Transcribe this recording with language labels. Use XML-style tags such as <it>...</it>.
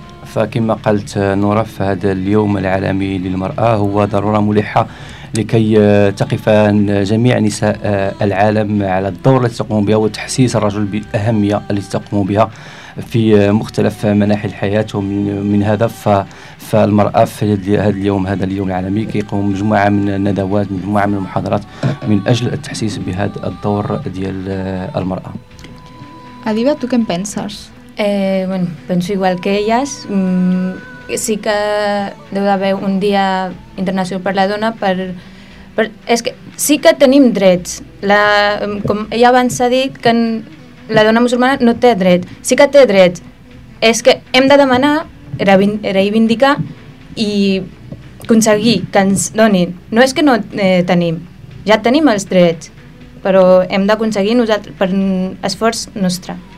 <ar>فكما قالت نورا، فهذا اليوم العالمي للمرأة هو ضرورة ملحة لكي تقف جميع نساء العالم على الدور الذي تقوم بها، وتحسيس الرجل بالأهمية التي تقوم بها في مختلف مناحي الحياة. ومن هذا فالمرأة في هذا اليوم، هذا اليوم العالمي، كيقوم مجموعة من الندوات، مجموعة من المحاضرات من أجل التحسيس بهذا الدور ديال المرأة. هذه بقى توكن بنسرز.</ar> <es>Bueno, pienso igual que ellas. Sí que debe haber un día internacional para la dona,</es> <ca>per, es que sí que tenim drets. La, com ella abans ha dit, que la dona musulmana no té dret. Sí que té drets. És que hem de demanar, reivindicar i aconseguir que ens donin. No és que no tenim, ja tenim els drets, però hem d'aconseguir nosaltres per esforç nostre.</ca>